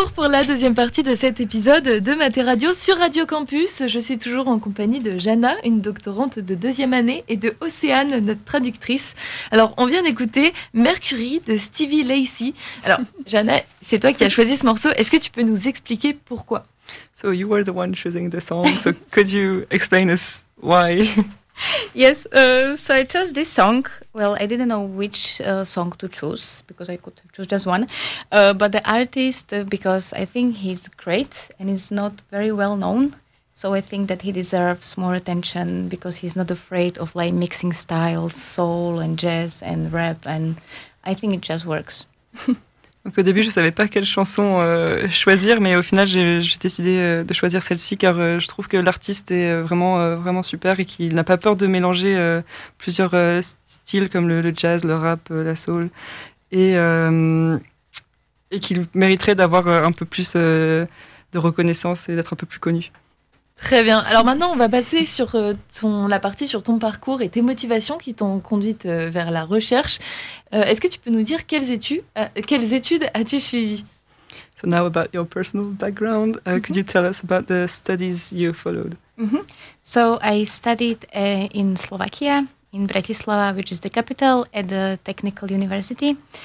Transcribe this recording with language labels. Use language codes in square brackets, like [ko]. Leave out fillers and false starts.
[fr] La deuxième partie de cet épisode de Mater Radio sur Radio Campus. Je suis toujours en compagnie de Jana, une doctorante de deuxième année, et de Océane, notre traductrice. Alors, on vient d'écouter Mercury de Stevie Lacey. Alors, Jana, c'est toi qui as choisi ce morceau. Est-ce que tu peux nous expliquer pourquoi ? [en] So, you were the one choosing the song. So, could you explain us why ? Yes, so I chose this song. Well, I didn't know which song to choose because I could choose just one. But the artist, because I think he's great and he's not very well known. So I think that he deserves more attention because he's not afraid of like mixing styles, soul and jazz and rap. And I think it just works. [fr] Donc au début, je ne savais pas quelle chanson choisir, mais au final, j'ai décidé de choisir celle-ci car je trouve que l'artiste est vraiment, vraiment super et qu'il n'a pas peur de mélanger plusieurs styles comme le jazz, le rap, la soul, et qu'il mériterait d'avoir un peu plus de reconnaissance et d'être un peu plus connu. Très bien. Alors maintenant, on va passer sur la partie sur ton parcours et tes motivations qui t'ont conduite vers la recherche. Est-ce que tu peux nous dire quelles études as-tu suivies ? [en] So now about your personal background, could you tell us about the studies you followed? Mm-hmm. So I studied in Slovakia, in Bratislava, which is the capital, at the Technical University.